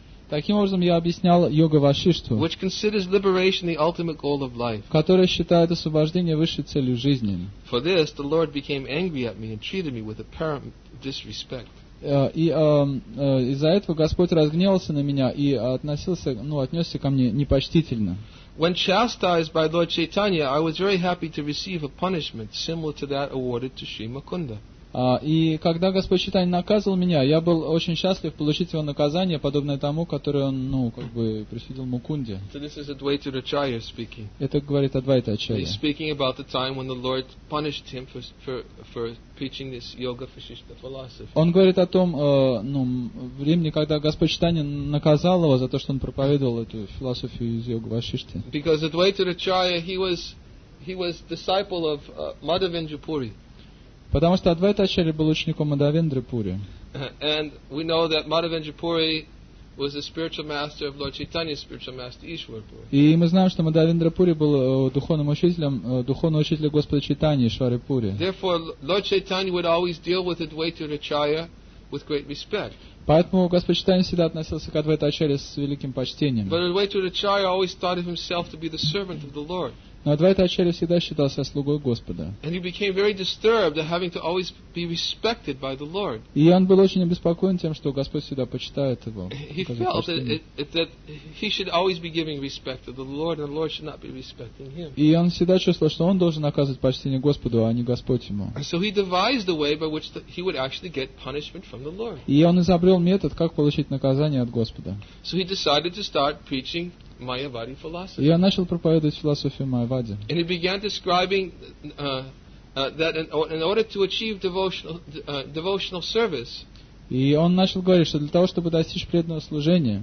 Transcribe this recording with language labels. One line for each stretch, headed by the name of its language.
Russian: Таким образом я объяснял Йога Вашишту,
English: which considers liberation the ultimate goal of life.
Russian: Которая считает освобождение высшей целью жизни.
English: For this the Lord became angry at me and treated me with apparent disrespect.
Russian: Из-за этого Господь разгневался на меня и отнесся ко мне непочтительно.
English: When chastised by Lord Chaitanya, I was very happy to receive a punishment similar to that awarded to Sri Mukunda.
Russian: И когда Господь Читания наказывал меня, я был очень счастлив получить его наказание, подобное тому, которое он, ну, как бы, присудил Мукунде. Это говорит Адвайта Ачарья.
English: He's speaking about the time when the Lord punished him for preaching this yoga fascistic philosophy.
Russian: Он говорит о том, ну, времени, когда Господь Читания наказал его за то, что он проповедовал эту философию из йога вашишти.
English: Because Advaita Acharya, he was disciple of Madhavendra Puri.
Russian: Потому что Адвайта Ачарья был учеником Мадхавендры Пури.
English: And we know that Madhavendra Puri was the spiritual master of Lord Chaitanya's spiritual master Ishwar Puri.
Russian: И мы знаем, что Мадхавендра Пури был духовным учителем, духовного учителя Господа Чайтаньи Ишвары Пури.
English: Therefore, Lord Chaitanya would always deal with Advaita Acharya with great respect.
Russian: Поэтому Господь Читания всегда относился к Адвайта Ачарье с великим почтением.
English: But Advaita Acharya always thought of himself to be the servant of the Lord.
Russian: Но Адвайта Ачарья всегда считался слугой Господа.
English: And he became very disturbed at having to always be respected by the Lord.
Russian: И он был очень обеспокоен тем, что Господь всегда почитает его.
English: He felt that he should always be giving respect to the Lord, and the Lord should not be respecting him.
Russian: И он всегда чувствовал, что он должен оказывать почтение Господу, а не Господь ему.
English: So he devised a way by which he would actually get punishment from the Lord.
Russian: И он изобрел метод, как получить наказание от Господа.
English: So he decided to start preaching Mayavadi philosophy.
Russian: Я начал проповедовать философию Майявади.
English: And he began describing that in order to achieve devotional service.
Russian: И он начал говорить, что для того, чтобы достичь преданного служения.